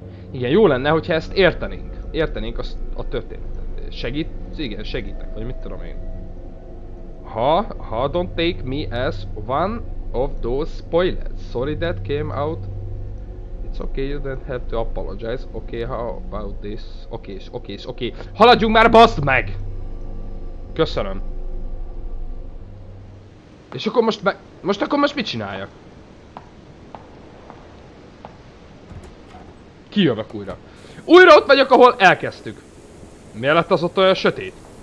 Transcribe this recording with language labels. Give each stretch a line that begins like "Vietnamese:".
Hungarian: Igen, jó lenne, hogyha ezt értenénk. Értenénk azt a történetet. Segít? Igen, segítek, vagy mit tudom én.
English: Ha, don't take me as one of those spoilers. Sorry that came out. It's okay, you don't have to apologize. Okay, how about this? Okay.
Hungarian: Haladjunk már, baszd meg! Köszönöm. És akkor most meg... Most mit csináljak? Kijövök újra. Újra ott vagyok, ahol elkezdtük. Miért lett az ott olyan sötét?